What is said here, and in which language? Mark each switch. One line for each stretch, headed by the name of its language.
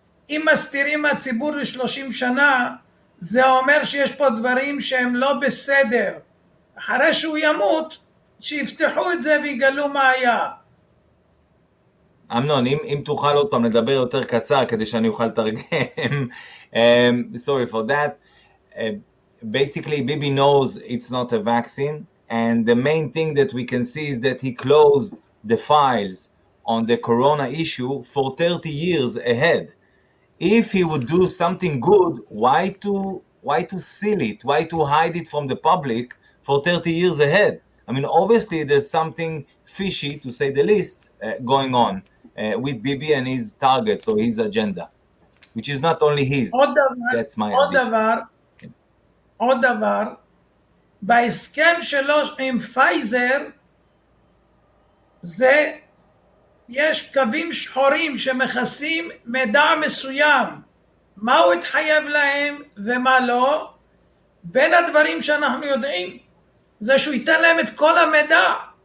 Hebrew: אם מסתירים מהציבור ל-30 שנה, זה אומר שיש פה דברים שהם לא בסדר. אחרי שהוא ימות, שיפתחו את זה ויגלו מה היה. אמנון, אם תוכל עוד פעם לדבר יותר קצר כדי שאני אוכל לתרגם.
English: Sorry for that. Basically, Bibi knows it's not a vaccine, and the main thing that we can see is that he closed the files on the corona issue for 30 years ahead. If he would do something good, why to seal it? Why to hide it from the public for 30 years ahead? I mean, obviously, there's something fishy, to say the least, going on with Bibi and his targets or his agenda, which is not only his. That's my addition.
Hebrew: עוד דבר, בהסכם שלו עם פייזר, זה, יש קווים שחורים שמכסים מידע מסוים, מה הוא התחייב להם ומה לא, בין הדברים שאנחנו יודעים, זה שהוא ייתן להם את כל המידע,